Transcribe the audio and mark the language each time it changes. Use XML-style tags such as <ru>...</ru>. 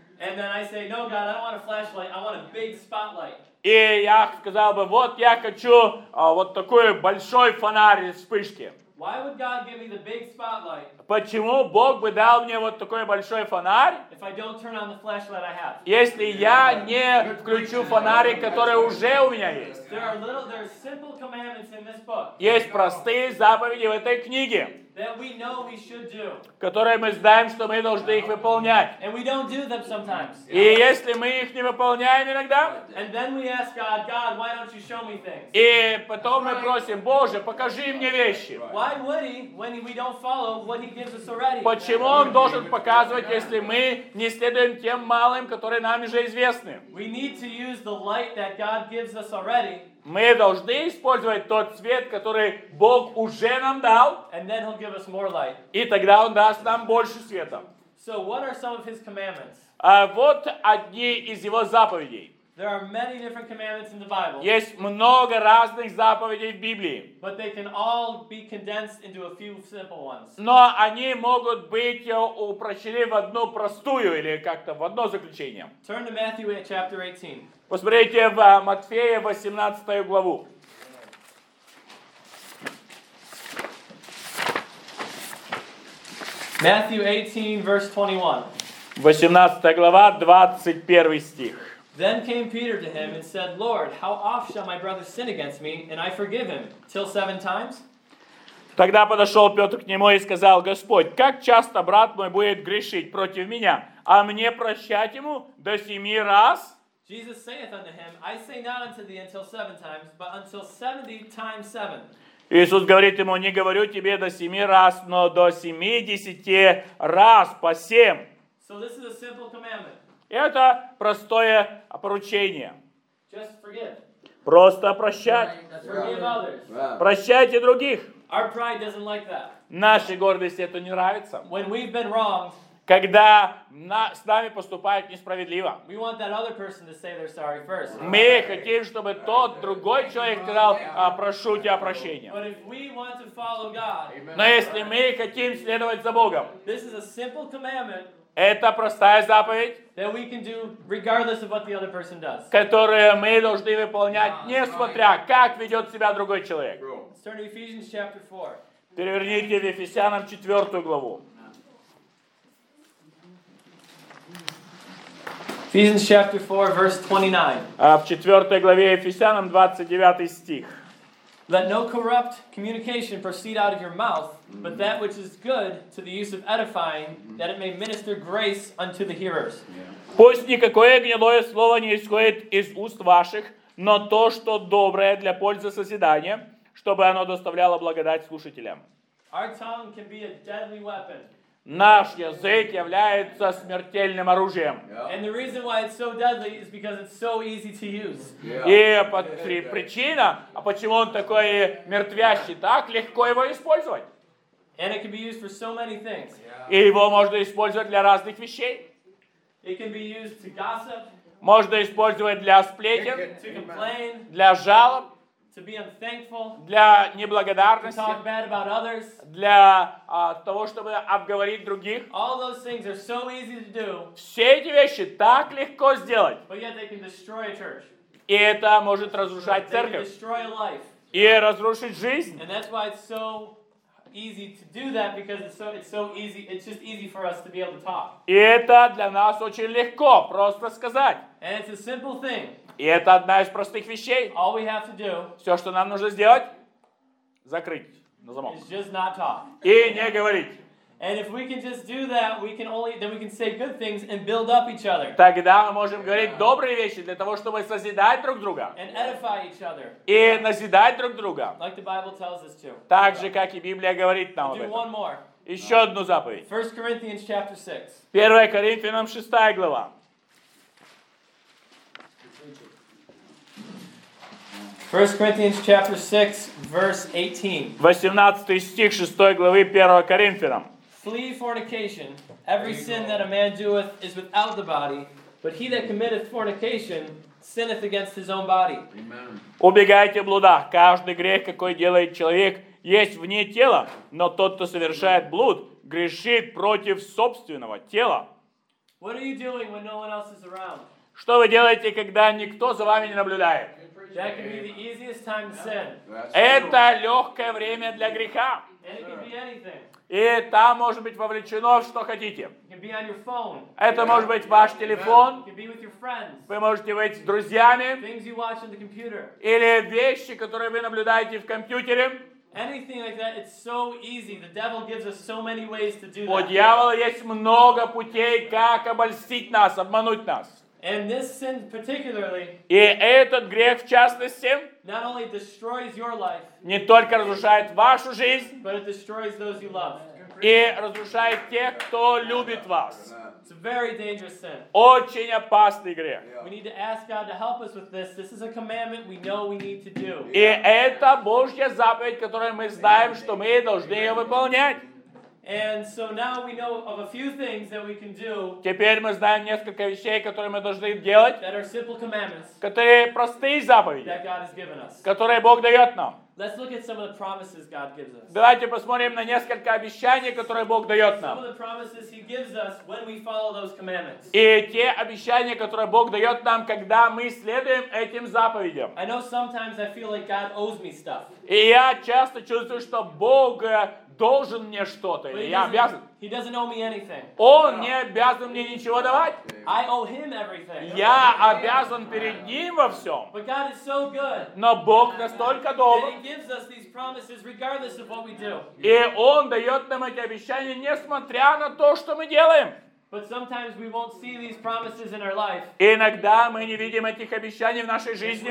<en>And then I say, "No, God, I don't want a flashlight. I want a big spotlight."</en> <ru>И я сказал бы, вот я хочу вот такой большой фонарь вспышки.</ru> <en>Why would God give me the big spotlight?</en> <ru>Почему Бог бы дал мне вот такой большой фонарь?</ru> <en>If I don't turn on the flashlight I have.</en> <ru>Если я не включу фонарик, который уже у меня есть.</ru> <en>There are little, there are simple commandments in this book.</en> <ru>Есть простые заповеди в этой книге.</ru> <en>That we know we should do.</en> <ru>Которые мы знаем, что мы должны их выполнять.</ru> <en>And we don't do them sometimes.</en> <ru>И если мы их не выполняем иногда,</ru> <en>and then we ask God, God, why don't you show me things?</en> <ru>И потом мы просим, Боже, покажи мне вещи.</ru> <en>Why would he, when we don't follow what he gives us already?</en> <ru>Почему он должен показывать, если мы не следуем тем малым, которые нам уже известны?</ru> <en>We need to use the light that God gives us already.</en> <ru>Мы должны использовать тот свет, который Бог уже нам дал.</ru> <en>And then he'll give us more light.</en> <ru>И тогда Он даст нам больше света.</ru> <en>So what are some of his commandments?</en> <ru>Вот одни из Его заповедей.</ru> <en>There are many different commandments in the Bible.</en> <ru>Есть много разных заповедей в Библии.</ru> <en>But they can all be condensed into a few simple ones.</en> <ru>Но они могут быть упрощены в одну простую или как-то в одно заключение.</ru> <en>Turn to Matthew chapter 18.</en> <ru>Посмотрите в Матфея 18 главу.</ru> <en>Matthew 18, verse 21.</en> <ru>18 глава, 21 стих.</ru> <en>Then came Peter to him and said, Lord, how oft shall my brother sin against me, and I forgive him? Till seven times?</en> <ru>Тогда подошел Петр к нему и сказал, Господь, как часто брат мой будет грешить против меня, а мне прощать ему до семи раз?</ru> <en>Jesus saith unto him, I say not unto thee until seven times, but until 70 times seven.</en> <ru>Иисус говорит ему, не говорю тебе до семи раз, но до 70 раз по семь.</ru> <en>So this is a simple commandment.</en> <ru>Это простое поручение.</ru> <en>Just forgive.</en> <ru>Просто прощать.</ru> <en>Forgive others.</en> <ru>Прощайте других.</ru> <en>Our pride doesn't like that.</en> <ru>Нашей гордости это не нравится.</ru> <en>When we've been wronged,</en> <ru>когда с нами поступают несправедливо.</ru> <en>We want that other person to say they're sorry first.</en> <ru>Мы хотим, чтобы тот другой человек сказал, прошу тебя прощения.</ru> <en>But if we want to follow God,</en> <ru>но если мы хотим следовать за Богом,</ru> <en>this is a simple commandment,</en> <ru>это простая заповедь,</ru> <en>that we can do regardless of what the other person does,</en> <ru>которую мы должны выполнять, несмотря как ведет себя другой человек.</ru> <en>Let's turn to Ephesians chapter 4.</en> <ru>Переверните в Ефесянам 4 главу.</ru> <en>Ephesians chapter 4, verse 29.</en> <ru>В 4 главе Ефесянам 29 стих.</ru> <en>Let no corrupt communication proceed out of your mouth, but that which is good to the use of edifying, that it may minister grace unto the hearers. Yeah.</en> <ru>Пусть никакое гнилое слово не исходит из уст ваших, но то, что доброе для пользы созидания, чтобы оно доставляло благодать слушателям.</ru> <en>Our tongue can be a deadly weapon.</en> <ru>Наш язык является смертельным оружием.</ru> <en>And the reason why it's so deadly is because it's so easy to use. Yeah.</en> <ru>И причина, а почему он такой мертвящий, так легко его использовать.</ru> <en>And it can be used for so many things.</en> <ru>И его можно использовать для разных вещей.</ru> <en>It can be used to gossip.</en> <ru>Можно использовать для сплетен,</ru> <en>to complain,</en> <ru>для жалоб,</ru> <en>to be unthankful,</en> <ru>для неблагодарности,</ru> <en>to talk bad about others,</en> <ru>для того, чтобы обговорить других.</ru> <en>All those things are so easy to do.</en> <ru>Все эти вещи так легко сделать.</ru> <en>But yet they can destroy a church.</en> <ru>И это может разрушать церковь.</ru> <en>They can destroy a life.</en> <ru>И разрушить жизнь.</ru> <en>And that's why it's so easy to do that, because it's so easy, it's just easy for us to be able to talk.</en> <ru>И это для нас очень легко просто сказать.</ru> <en>And it's a simple thing.</en> <ru>И это одна из простых вещей.</ru> <en>All we have to do,</en> <ru>все, что нам нужно сделать, закрыть на замок.</ru> <en>Is just not talk.</en> <ru>И не говорить.</ru> <en>And if we can just do that, we can say good things and build up each other.</en> <ru>Тогда мы можем говорить добрые вещи для того, чтобы созидать друг друга.</ru> <en>And edify each other.</en> <ru>И назидать друг друга.</ru> <en>Like the Bible tells us to.</en> <ru>Так же, как и Библия говорит нам об этом.</ru> <en>Do one more.</en> <ru>Еще одну заповедь.</ru> <en>1 Corinthians chapter 6.</en> <ru>1 Коринфянам 6 глава.</ru> <en>First Corinthians chapter 6, verse 18.</en> <ru>18 стих 6 главы 1 Коринфянам.</ru> <en>Flee fornication. Every sin that a man doeth is without the body, but he that committeth fornication sinneth against his own body.</en> <ru>Убегайте блуда. Каждый грех, какой делает человек, есть вне тела, но тот, кто совершает блуд, грешит против собственного тела.</ru> <en>What are you doing when no one else is around?</en> <ru>Что вы делаете, когда никто за вами не наблюдает?</ru> <en>That can be the easiest time to sin.</en> <ru>Это легкое время для греха.</ru> <en>And it can be anything.</en> <ru>И там может быть вовлечено, что хотите.</ru> <en>It can be on your phone.</en> <ru>Это может быть ваш телефон.</ru> <en>It can be with your friends.</en> <ru>Вы можете быть с друзьями.</ru> <en>Things you watch on the computer.</en> <ru>Или вещи, которые вы наблюдаете в компьютере.</ru> <en>Anything like that, it's so easy. The devil gives us so many ways to do that.</en> <ru>У дьявола есть много путей, как обольстить нас, обмануть нас.</ru> <en>And this sin particularly,</en> <ru>и этот грех в частности,</ru> <en>not only destroys your life,</en> <ru>не только разрушает вашу жизнь,</ru> <en>but it destroys those you love.</en> <ru>И разрушает тех, кто любит вас.</ru> <en>It's a very dangerous sin.</en> <ru>Очень опасный грех.</ru> <en>We need to ask God to help us with this. This is a commandment we know we need to do.</en> <ru>И это Божья заповедь, которую мы знаем, что мы должны ее выполнять.</ru> <en>And so now we know of a few things that we can do.</en> <ru>Теперь мы знаем несколько вещей, которые мы должны делать.</ru> <en>That are simple commandments.</en> <ru>Которые простые заповеди.</ru> <en>That God has given us.</en> <ru>Которые Бог дает нам.</ru> <en>Let's look at some of the promises God gives us.</en> <ru>Давайте посмотрим на несколько обещаний, которые Бог дает нам.</ru> <en>Some of the promises He gives us when we follow those commandments.</en> <ru>И те обещания, которые Бог дает нам, когда мы следуем этим заповедям.</ru> <en>I know sometimes I feel like God owes me stuff.</en> <ru>И я часто чувствую, что Бог должен мне что-то, или я обязан.</ru> <en>He doesn't owe me anything.</en> <ru>Он не обязан мне ничего давать.</ru> <en>I owe him everything.</en> <ru>Я обязан перед ним во всем.</ru> <en>But God is so good.</en> <ru>Но Бог настолько добр.</ru> <en>He gives us these promises regardless of what we do.</en> <ru>И Он дает нам эти обещания, несмотря на то, что мы делаем.</ru> <en>But sometimes we won't see these promises in our life.</en> <ru>Иногда мы не видим этих обещаний в нашей жизни.</ru>